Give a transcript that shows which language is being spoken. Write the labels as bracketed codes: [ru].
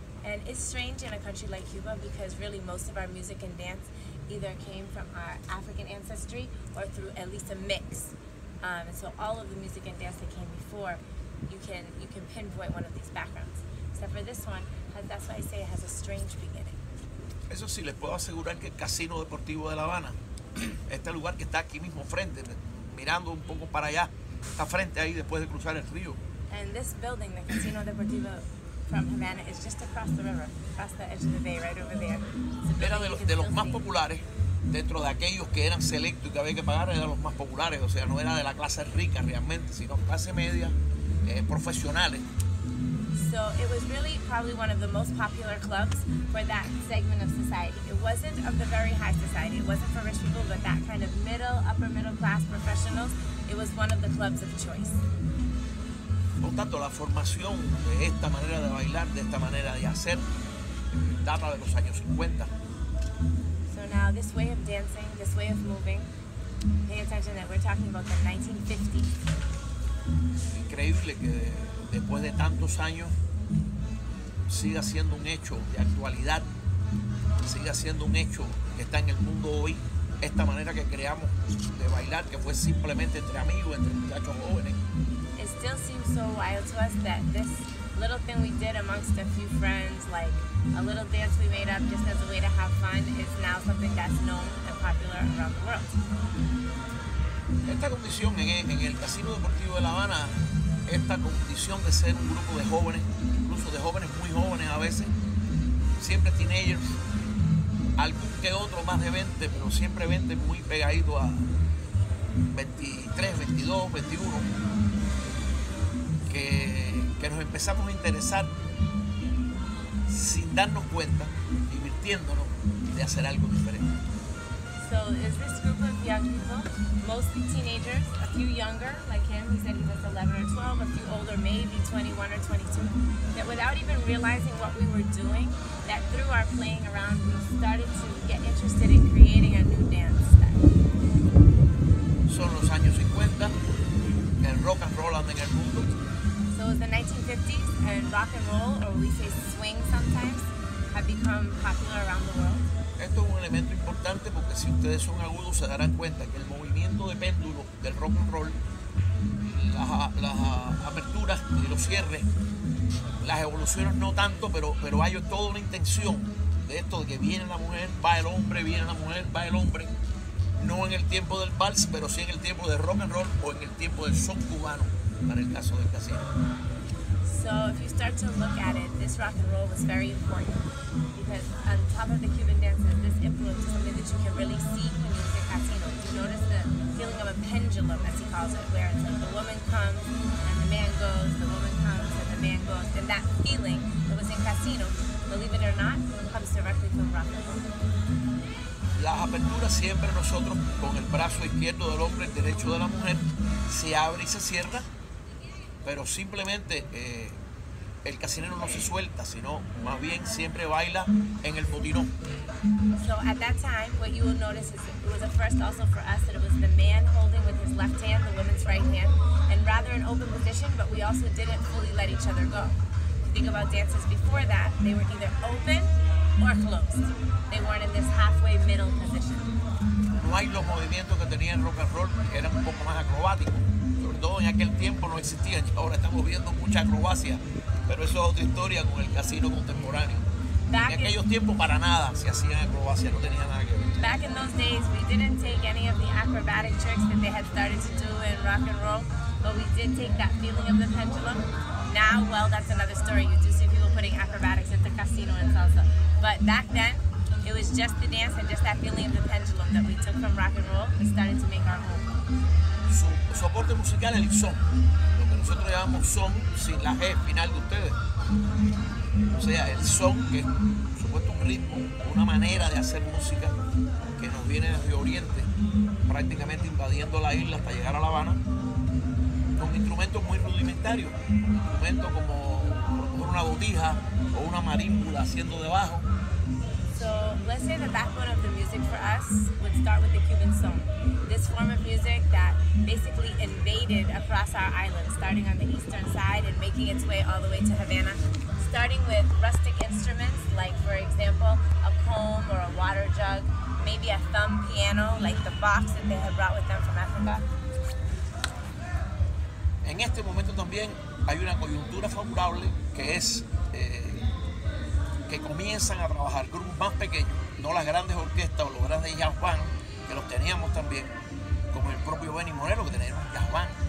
[en] And it's strange in a country like Cuba because really most of our music and dance either came from our African ancestry or through at least a mix. So all of the music and dance that came before, you can pinpoint one of these backgrounds. Except for this one, that's why I say it has a strange beginning. [es] Eso sí, les puedo asegurar que el Casino Deportivo de La Habana, este lugar que está aquí mismo frente, mirando un poco para allá, está frente ahí después de cruzar el río. [en] And this building, the Casino Deportivo from Havana, is just across the river, across the edge of the bay, right over there. [es] Era de los más populares, dentro de aquellos que eran selectos y que había que pagar, eran los más populares, o sea, no era de la clase rica realmente, sino clase media, profesionales. [en] So it was really probably one of the most popular clubs for that segment of society. It wasn't of the very high society, it wasn't for rich people, but that kind of middle, upper middle class professionals, it was one of the clubs of choice. [es] Por tanto, la formación de esta manera de bailar, de esta manera de hacer, data de los años 50. [en] So now this way of dancing, this way of moving, pay attention that we're talking about the 1950s. [es] Increíble que después de tantos años siga siendo un hecho de actualidad, siga siendo un hecho que está en el mundo hoy, esta manera que creamos de bailar, que fue simplemente entre amigos, entre muchachos jóvenes. [en] It still seems so wild to us that this little thing we did amongst a few friends, like a little dance we made up just as a way to have fun, is now something that's known and popular around the world. [es] Esta condición en el Casino Deportivo de La Habana, esta condición de ser un grupo de jóvenes, incluso de jóvenes muy jóvenes a veces, siempre teenagers, algún que otro más de 20, pero siempre 20 muy pegadito a 23, 22, 21, que nos empezamos a interesar sin darnos cuenta, divirtiéndonos de hacer algo diferente. [en] So is this group of young people, mostly teenagers, a few younger, like him, he said he was 11 or 12, a few older, maybe 21 or 22, that without even realizing what we were doing, that through our playing around, we started to get interested in creating a new dance style. [es] Son los años 50, el rock and roll anda en el mundo. [en] So it was the 1950s, and rock and roll, or we say swing sometimes, have become popular around the world. [es] Esto es un elemento importante porque si ustedes son agudos se darán cuenta que el movimiento de péndulo del rock and roll, las aperturas y los cierres, las evoluciones no tanto, pero hay toda una intención de esto, de que viene la mujer, va el hombre, viene la mujer, va el hombre, no en el tiempo del vals, pero sí en el tiempo del rock and roll o en el tiempo del son cubano, para el caso del casino. [en] So if you start to look at it, this rock and roll was very important because on top of the Cuban dances, this influence is something that you can really see when you look at Casino. You notice the feeling of a pendulum, as he calls it, where it's like the woman comes and the man goes, the woman comes and the man goes. And that feeling that was in Casino, believe it or not, comes directly from rock and roll. [es] Las aperturas siempre nosotros, con el brazo izquierdo del hombre, el derecho de la mujer, se abre y se cierra. Pero simplemente el casinero no se suelta, sino más bien siempre baila en el botinón. [en] So at that time, what you will notice is it was a first also for us, that it was the man holding with his left hand, the woman's right hand, and rather an open position, but we also didn't fully let each other go. If you think about dances before that, they were either open or closed. They weren't in this halfway middle position. [es] No hay los movimientos que tenía el rock and roll, que eran un poco más acrobáticos. Todo en aquel tiempo no existía, ahora estamos viendo mucha acrobacia, pero eso es otra historia con el casino contemporáneo. [en] Back [es] en aquellos tiempos para nada se hacían acrobacia, no tenía nada que ver. [en] Back in those days we didn't take any of the acrobatic tricks that they had started to do in rock and roll, but we did take that feeling of the pendulum. Now, well, that's another story. You do see people putting acrobatics into casino and salsa. But back then, it was just the dance and just that feeling of the pendulum that we took from rock and roll and started to make our move. [es] Soporte musical es el son, lo que nosotros llamamos son sin la G final de ustedes. O sea, el son, que es por supuesto un ritmo, una manera de hacer música que nos viene desde Oriente, prácticamente invadiendo la isla hasta llegar a La Habana, con instrumentos muy rudimentarios, instrumentos como una botija o una marímbula haciendo debajo. [en] So let's say the backbone of the music for us would start with the Cuban song. This form of music that basically invaded across our island, starting on the eastern side and making its way all the way to Havana, starting with rustic instruments, like, for example, a comb or a water jug, maybe a thumb piano, like the box that they had brought with them from Africa. [es] En este momento también hay una coyuntura favorable que es que comienzan a trabajar grupos más pequeños, no las grandes orquestas o los grandes jazz band, que los teníamos también, como el propio Benny Moreno, que tenía un jazz band.